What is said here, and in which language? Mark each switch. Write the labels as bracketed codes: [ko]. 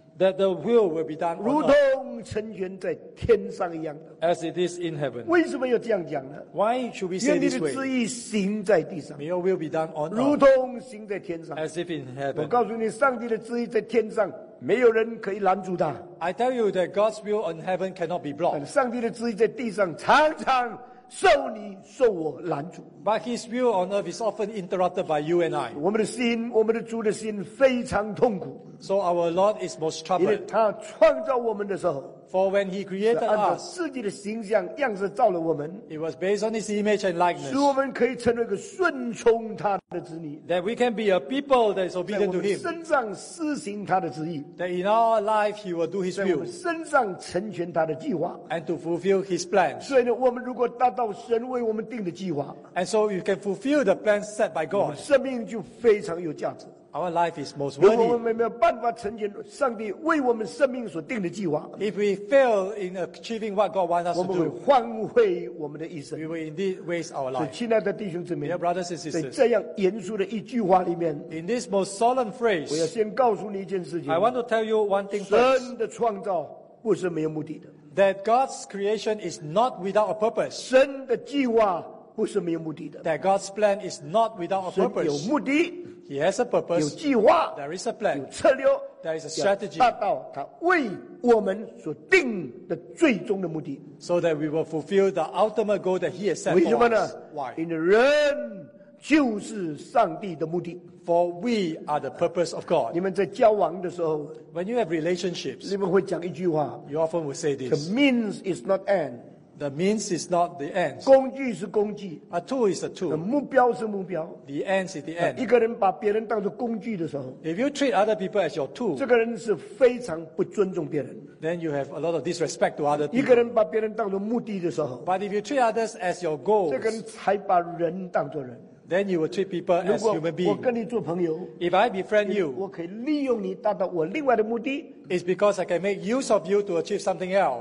[en] that the will be done on earth. [zh] 如同成全在天上一样的 [en] as it is in heaven. [zh] 为什么要这样讲呢 [en] why should we say this way? [zh] 愿你的旨意行在地上 [en] may your will be done on earth. [zh] 如同行在天上 [en] as if in heaven. [zh] 我告诉你上帝的旨意在天上没有人可以拦住他 [en] I tell you that God's will on heaven cannot be blocked. [zh] 上帝的旨意在地上常常受你受我拦阻 [en] But his will on earth is often interrupted by you and I. [zh] 我们的心我们的主的心非常痛苦 [en] So our Lord is most troubled. [zh] 因为他创造我们的时候 [en] For when he created us, [zh] 是按照自己的形象样式造了我们 [en] It was based on his image and likeness. [zh] 使我们可以成为一个顺从他的子女 [en] That we can be a people that is obedient to him. [zh] 在我们身上施行他的旨意 [en] That in our life he will do his will. [zh] 在我们身上成全他的计划 [en] And to fulfill his plan. [zh] 所以呢我们如果达到神为我们定的计划 [en] And so you can fulfill the plan set by God. [zh] 生命就非常有价值 [en] Our life is most worthy. [zh] 如果我们没有办法成全上帝为我们生命所定的计划 [en] If we fail in achieving what God wants us to do [zh] 我们会荒废我们的一生 [en] We will indeed waste our life [zh] 所以亲爱的弟兄姊妹 [en] Dear brothers and sisters [zh] 在这样严肃的一句话里面 [en] In this most solemn phrase [zh] 我要先告诉你一件事情 [en] I want to tell you one thing first [zh] 神的创造不是没有目的的 [en] That God's creation is not without a purpose [zh] 神的计划不是没有目的的 [en] That God's plan is not without a purpose [zh] 神有目的 [en] He has a purpose. [zh] 有计划 [en] There is a plan. [zh] 有策略 [en] That is a strategy. [zh] 要达到他为我们所定的最终的目的。 [en] So that we will fulfill the ultimate goal that he has set for us. [zh] 为什么呢 [en] ？Why? [zh] 因为人就是上帝的目的。 [en] For we are the purpose of God. [zh] 你们在交往的时候 [en] ，When you have relationships， [zh] 你们会讲一句话 [en] ，You often will say this. The means is not end. The means is not the end. [zh] 工具是工具 [en] ，A tool is a tool. [zh] The 目标是目标 [en] ，The end is the end. [zh] 一个人把别人当作工具的时候 [en] ，If you treat other people as your tool， [zh] 这个人是非常不尊重别人。 [en] Then you have a lot of disrespect to other people. [zh] 一个人把别人当作目的的时候 [en] ，But if you treat others as your goals， [zh] 这个人才把人当作人。 [en] Then you will treat people as human beings. [zh] 如果我跟你做朋友 [en] ，If I befriend you， [zh] 我可以利用你达到我另外的目的。 [en] It's because I can make use of you to achieve something else.